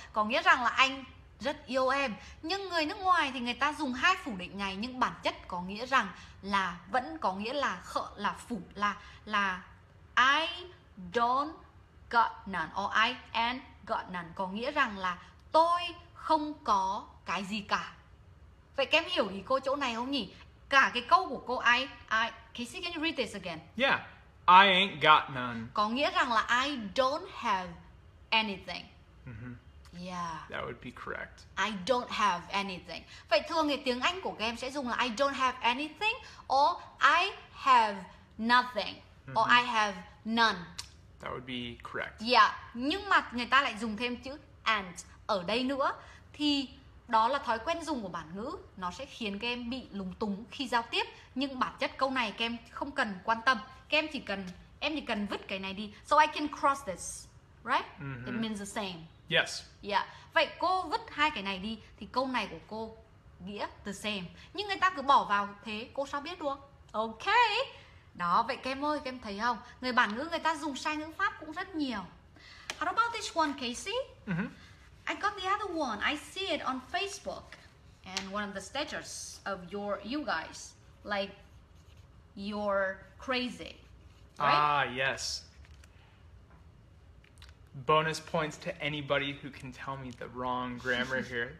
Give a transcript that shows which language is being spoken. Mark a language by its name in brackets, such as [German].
[Vietnamese] Có nghĩa rằng là anh rất yêu em. Nhưng người nước ngoài thì người ta dùng hai phủ định này, nhưng bản chất có nghĩa rằng là vẫn có nghĩa là khợ, là phủ, là [English] I don't got none [Vietnamese] or I ain't got none, có nghĩa rằng là tôi không có cái gì cả. Vậy các em hiểu ý cô chỗ này không nhỉ? Cả cái câu của cô I Casey, [English] can you read this again? Yeah, I ain't got none. [Vietnamese] Có nghĩa rằng là [English] I don't have anything. Mm-hmm. Yeah. That would be correct. I don't have anything. [Vietnamese] Vậy thường thì tiếng Anh của các em sẽ dùng là [English] I don't have anything or I have nothing, [Vietnamese] mm-hmm, [English] or I have none. That would be correct. Yeah. [Vietnamese] Nhưng mà người ta lại dùng thêm chữ and ở đây nữa. Thì đó là thói quen dùng của bản ngữ. Nó sẽ khiến các em bị lúng túng khi giao tiếp. Nhưng bản chất câu này các em không cần quan tâm. Các em chỉ cần, em chỉ cần vứt cái này đi. [English] So I can cross this. Right? Mm-hmm. It means the same. Yes. Yeah. [Vietnamese] Vậy cô vứt hai cái này đi thì câu này của cô nghĩa [English] the same. [Vietnamese] Nhưng người ta cứ bỏ vào thế, cô sao biết được? Okay. Đó, vậy các em ơi, các em thấy không? Người bản ngữ người ta dùng sai ngữ pháp cũng rất nhiều. [English] How about this one, Casey? Mm-hmm. I got the other one. I see it on Facebook and one of the status of your, you guys, like you're crazy. Right? Ah, yes. Bonus points to anybody who can tell me the wrong grammar here.